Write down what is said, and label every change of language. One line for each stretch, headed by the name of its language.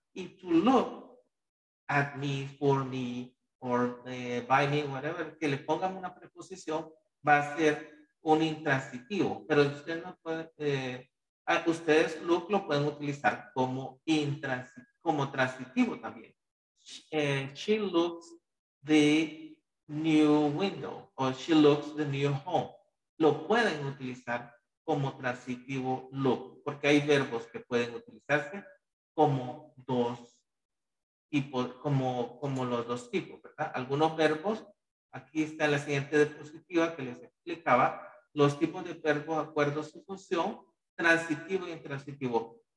English: If to look at me, for me, or by me, whatever,
Spanish: que le pongan una preposición, va a ser un intransitivo. Pero ustedes no pueden, ustedes look lo pueden utilizar como como transitivo también.
English: She looks the new window, or she looks the new home.
Spanish: Lo pueden utilizar como transitivo look, porque hay verbos que pueden utilizarse como dos tipos, como los dos tipos, ¿verdad? Algunos verbos, aquí está la siguiente diapositiva que les explicaba, los tipos de verbos de acuerdo a su función, transitivo e intransitivo.